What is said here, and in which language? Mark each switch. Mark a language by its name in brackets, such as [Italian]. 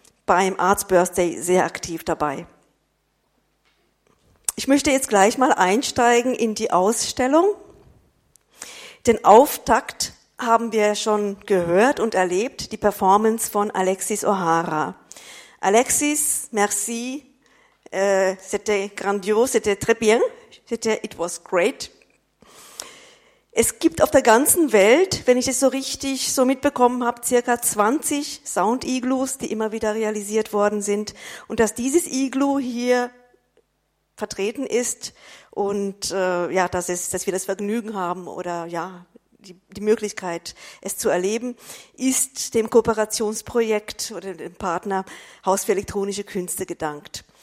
[German] beim Arts Birthday sehr aktiv dabei. Ich möchte jetzt gleich mal einsteigen in die Ausstellung. Den Auftakt haben wir schon gehört und erlebt, die Performance von Alexis O'Hara. [French] Alexis, merci, c'était grandiose, c'était très bien, c'était, [English] it was great. [German] Es gibt auf der ganzen Welt, wenn ich es so richtig so mitbekommen habe, circa 20 Sound-Igloos, die immer wieder realisiert worden sind. Und dass dieses Igloo hier vertreten ist und ja, dass wir das Vergnügen haben oder ja, die Möglichkeit, es zu erleben, ist dem Kooperationsprojekt oder dem Partner Haus für elektronische Künste gedankt.